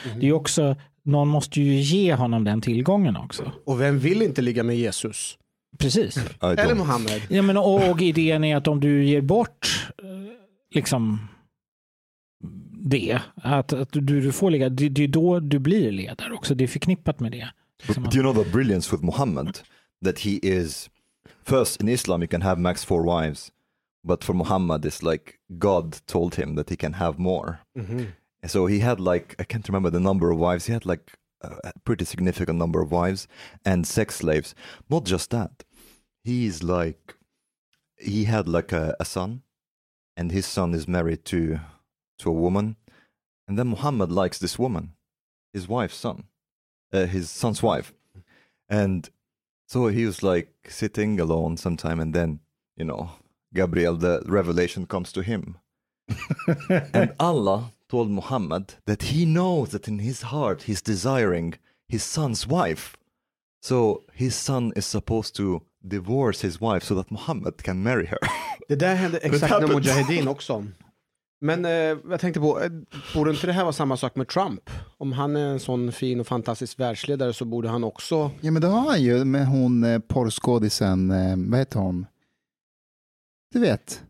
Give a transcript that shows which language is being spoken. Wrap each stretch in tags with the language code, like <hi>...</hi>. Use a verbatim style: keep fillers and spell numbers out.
<sv>Mm. Det är också någon måste ju ge honom den tillgången också, och vem vill inte ligga med Jesus? Precis. Eller Mohammed. Ja, men och idén är att om du ger bort liksom det att, att du, du får ligga, det, det är då du blir ledare också, det är förknippat med det.</sv> <en>But, do you know the brilliance with Mohammed that he is first, in Islam, you can have max four wives, but for Muhammad, it's like God told him that he can have more. Mm-hmm. And so he had like, I can't remember the number of wives, he had like a pretty significant number of wives and sex slaves. Not just that, he's like, he had like a, a son, and his son is married to to a woman, and then Muhammad likes this woman, his wife's son, uh, his son's wife, and So he was like sitting alone sometime, and then, you know, Gabriel, the revelation comes to him. And Allah told Muhammad that he knows that in his heart he's desiring his son's wife. So his son is supposed to divorce his wife so that Muhammad can marry her.</en> <sv>Det där hände exakt med Mujahedin också. Men eh, jag tänkte på, eh, borde inte det här vara samma sak med Trump? Om han är en sån fin och fantastisk världsledare så borde han också... Ja, men det har han ju med hon eh, porrskådisen, eh, vad heter hon? Du vet.</sv>